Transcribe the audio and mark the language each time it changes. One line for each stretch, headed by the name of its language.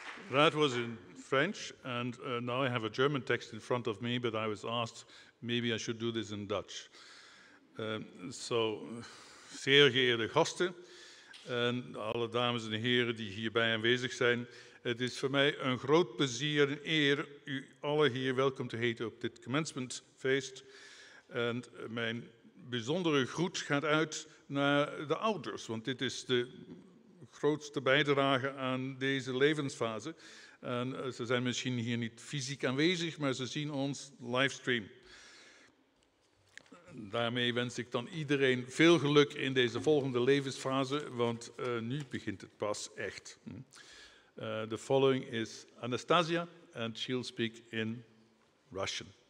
English: That was in French, and now I have a German text in front of me, but I was asked maybe I should do this in Dutch.
Dutch: So, zeer geëerde gasten en alle dames en heren die hierbij aanwezig zijn, het is voor mij een groot plezier en eer u alle hier welkom te heten op dit commencementfeest. En mijn bijzondere groet gaat uit naar de ouders, want dit is de grootste bijdrage aan deze levensfase. En ze zijn misschien hier niet fysiek aanwezig, maar ze zien ons livestream. Daarmee wens ik dan iedereen veel geluk in deze volgende levensfase, want nu begint het pas echt.
English: The following is Anastasia, and she'll speak in Russian.